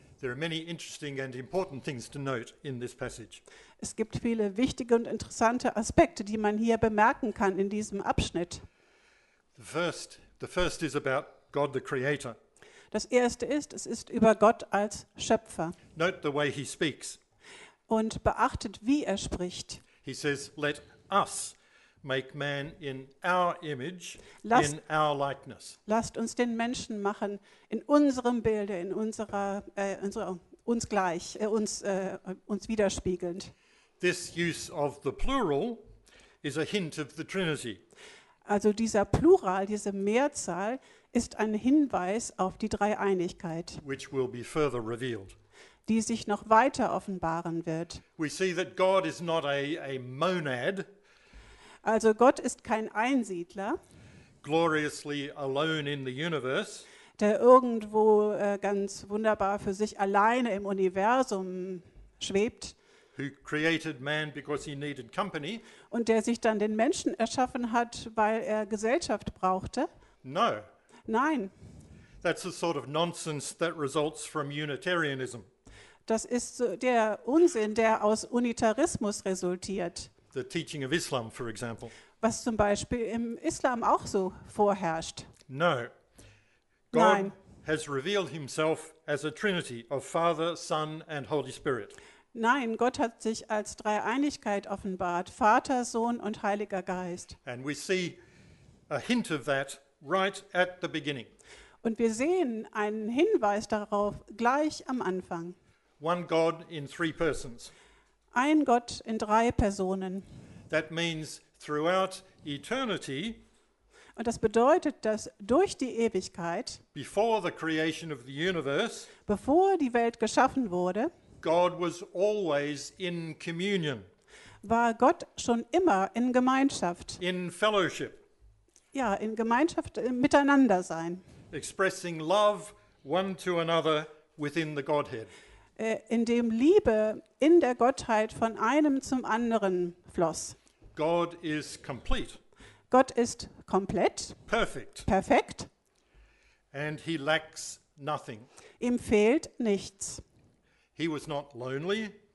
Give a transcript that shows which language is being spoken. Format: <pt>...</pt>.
<en>There are many interesting and important things to note in this passage.</en> <de>Es gibt viele wichtige und interessante Aspekte, die man hier bemerken kann in diesem Abschnitt.</de> <en>The first is about God the Creator.</en> <de>Das erste ist, es ist über Gott als Schöpfer.</de> <en>Note the way he speaks.</en> <de>Und beachtet, wie er spricht.</de> <en>He says, "Let us make man in our image, in our likeness."</en> <de>Lasst uns den Menschen machen in unserem Bilde, in unserer uns gleich, uns widerspiegelnd.</de> <en>This use of the plural is a hint of the Trinity.</en> <de>Also dieser Plural, diese Mehrzahl, ist ein Hinweis auf die Dreieinigkeit,</de> <en>which will be further revealed,</en> <de>die sich noch weiter offenbaren wird.</de> <en>We see that God is not a monad.</en> <de>Also Gott ist kein Einsiedler,</de> <en>gloriously alone in the universe,</en> <de>der irgendwo ganz wunderbar für sich alleine im Universum schwebt,</de> <en>who created man because he needed company,</en> <de>und der sich dann den Menschen erschaffen hat, weil er Gesellschaft brauchte.</de> <en>No.</en> <de>Nein.</de> <en>That's the sort of nonsense that results from Unitarianism.</en> <de>Das ist der Unsinn, der aus Unitarismus resultiert.</de> <en>The teaching of Islam, for example.</en> <de>Was zum Beispiel im Islam auch so vorherrscht.</de> <en>No.</en> <de>Nein.</de> <en>God has revealed himself as a Trinity of Father, Son and Holy Spirit.</en> <de>Nein, Gott hat sich als Dreieinigkeit offenbart, Vater, Sohn und Heiliger Geist.</de> <en>And we see a hint of that right at the beginning.</en> <de>Und wir sehen einen Hinweis darauf gleich am Anfang.</de> <en>One God in three persons.</en> <de>Ein Gott in drei Personen.</de> <en>That means throughout eternity.</en> <de>Und das bedeutet, dass durch die Ewigkeit,</de> <en>before the creation of the universe,</en> <de>bevor die Welt geschaffen wurde,</de> <en>God was always in communion.</en> <de>War Gott schon immer in Gemeinschaft.</de> <en>In fellowship.</en> <de>Ja, in Gemeinschaft, miteinander sein.</de> <en>Expressing love one to another within the Godhead.</en> <de>Indem Liebe in der Gottheit von einem zum anderen floss.</de> <en>God is complete.</en> <de>Gott ist komplett.</de> <en>Perfect.</en> <de>Perfekt.</de> <en>And he lacks nothing.</en> <de>Ihm fehlt nichts.</de> <en>He was not lonely.</en>